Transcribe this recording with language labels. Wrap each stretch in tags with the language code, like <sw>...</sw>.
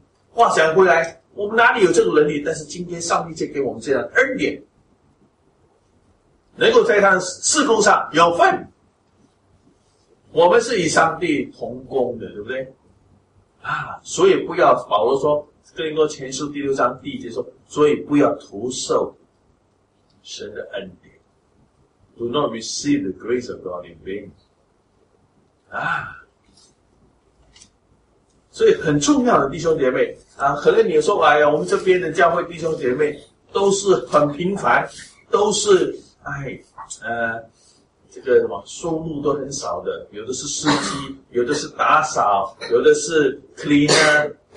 <zh>话讲回来，我们哪里有这种能力？但是今天上帝就给我们这样恩典，能够在他事工上有份。我们是与上帝同工的，对不对？啊，所以不要，保罗说，哥林多前书第六章第一节说，所以不要徒受神的恩典。</zh> <en>Do not receive the grace of God in vain.</en> <zh>啊，所以很重要的弟兄姐妹啊，可能你说，哎呀，我们这边的教会弟兄姐妹都是很平凡，都是哎，这个什么收入都很少的，有的是司机，有的是打扫，有的是 cleaner。</zh>